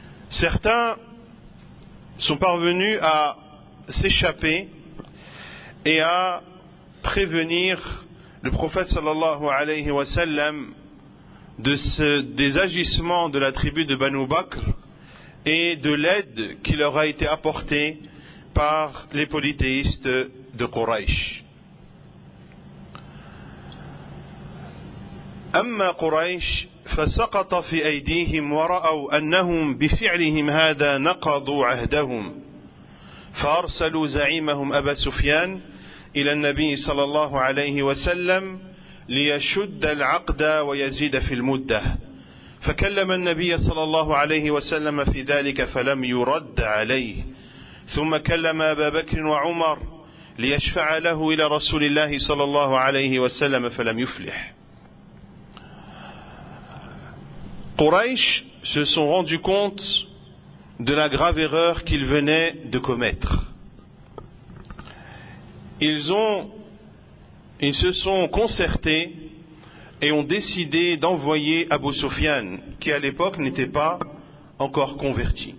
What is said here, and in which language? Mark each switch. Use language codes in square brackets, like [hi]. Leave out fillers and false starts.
[fr] Certains sont parvenus à s'échapper et à prévenir le prophète sallallahu alayhi wa sallam des agissements de la tribu de Banu Bakr et de l'aide qui leur a été apportée par les polythéistes de Quraysh. [ar] أما قريش فسقط في أيديهم ورأوا أنهم بفعلهم هذا نقضوا عهدهم فأرسلوا زعيمهم أبا سفيان إلى النبي صلى الله عليه وسلم ليشد العقد ويزيد في المدة فكلم النبي صلى الله عليه وسلم في ذلك فلم يرد عليه ثم كلم أبا بكر وعمر ليشفع له إلى رسول الله صلى الله عليه وسلم فلم يفلح. [fr] Quraysh se sont rendus compte de la grave erreur qu'ils venaient de commettre. Ils se sont concertés et ont décidé d'envoyer Abu Sufyan, qui à l'époque n'était pas encore converti.